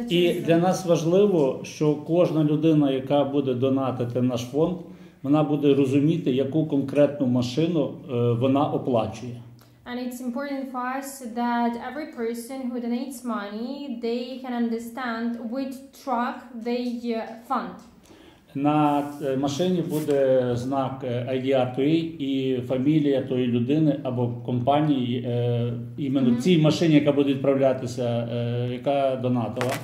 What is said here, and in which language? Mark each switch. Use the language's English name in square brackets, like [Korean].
[Ukrainian] І для нас важливо, що кожна людина, яка буде донатити наш фонд, вона буде розуміти, яку конкретну машину вона оплачує. [English] And it's important for us that every person who donates money, they can understand which truck they fund. [Ukrainian] На машині буде знак IDR2A і фамілія тої людини або компанії, іменно mm-hmm. цій машині, яка буде відправлятися, яка донатила.